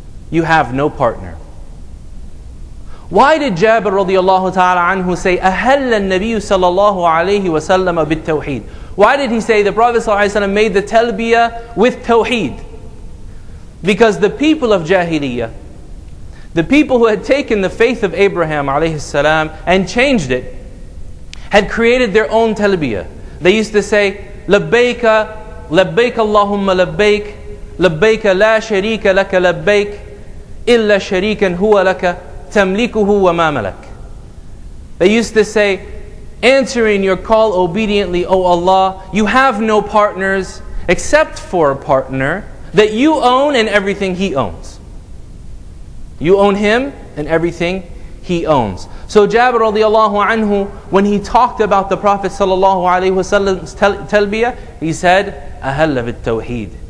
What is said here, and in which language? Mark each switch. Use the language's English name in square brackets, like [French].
[English] You have no partner. Why did Jabir radiallahu ta'ala anhu say, [Arabic] أَهَلَّ النَّبِيُّ صَلَّى اللَّهُ عَلَيْهِ وَسَلَّمَ بِالتَّوْحِيدِ? [English] Why did he say the Prophet sallallahu alayhi wa sallam made the talbiyah with tawheed? Because the people of Jahiliyyah, the people who had taken the faith of Abraham alayhi salam and changed it, had created their own talbiyah. They used to say, [Arabic] لبيك لبيك اللهم لبيك لبيك لا شريك لك لبيك إلا شريكا هو لك تملكه وما ملك. [English] They used to say, answering your call obediently, O Allah, you have no partners except for a partner that you own and everything he owns. You own him and everything he owns. So Jabir radiallahu anhu, when he talked about the Prophet sallallahu alayhi wa sallam's talbiyah, he said, [Arabic] أَهَلَّ بِالتَّوْحِيدِ.